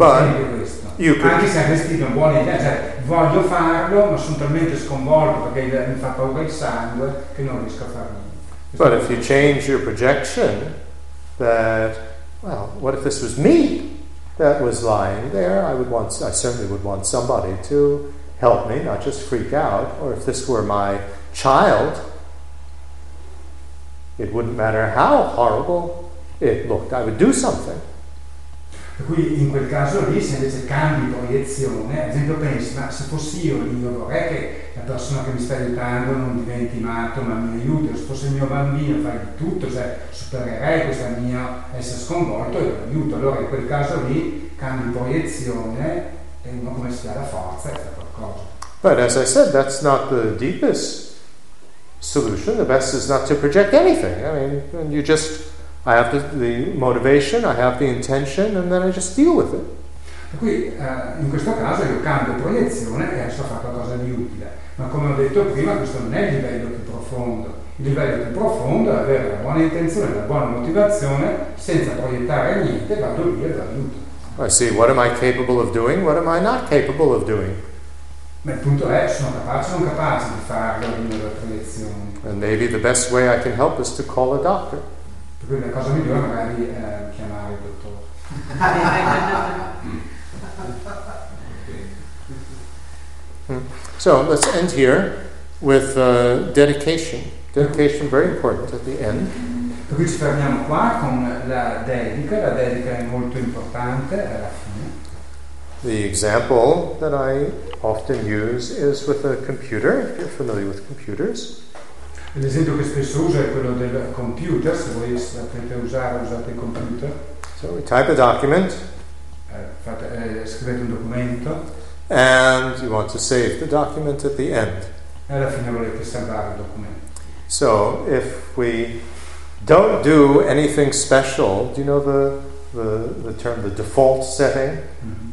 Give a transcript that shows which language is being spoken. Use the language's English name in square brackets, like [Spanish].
[Italian] anche se avresti una buona idea, cioè voglio farlo, ma sono talmente sconvolto perché mi fa paura il sangue che non riesco a farlo. Questo [English] but if you change your projection that, well, what if this was me that was lying there? I certainly would want somebody to help me, not just freak out. Or if this were my child, it wouldn't matter how horrible it looked, I would do something. [Italian] Per cui in quel caso lì, se invece cambi proiezione, ad esempio pensi, ma se fossi io vorrei che la persona che mi sta aiutando non diventi matto, ma mi aiuti, o se fosse il mio bambino farei di tutto, cioè supererei questa mia essere sconvolto e lo aiuto. Allora in quel caso lì cambi proiezione e uno come si ha la forza e fa qualcosa. [English] But as I said, that's not the deepest solution. The best is not to project anything. I mean, you just... I have the motivation, I have the intention, and then I just deal with it. [Italian] Qui, in questo caso io cambio proiezione e adesso faccio qualcosa di utile. Ma come ho detto prima, questo non è il livello più profondo. Il livello più profondo è avere la buona intenzione, la buona motivazione, senza proiettare niente, vado lì e do aiuto. [English] I see, what am I capable of doing? What am I not capable of doing? [Italian] Ma il punto è, sono capace o non capace di farlo di nuova proiezione. [English] And maybe the best way I can help is to call a doctor. [Italian] Per cui la cosa migliore magari è chiamare il dottore. [English] So let's end here with dedication. Dedication very important at the end. [Italian] Per cui ci fermiamo qua con la dedica è molto importante alla fine. [English] The example that I often use is with a computer, if you're familiar with computers. [Italian] L'esempio che spesso uso è quello del computer, se voi sapete usare, usate il computer. [English] So we type a document. [Italian] Scrivete un documento. [English] And you want to save the document at the end. [Italian] E alla fine volete salvare il documento. [English] So if we don't do anything special, do you know the term, the default setting? Mm-hmm.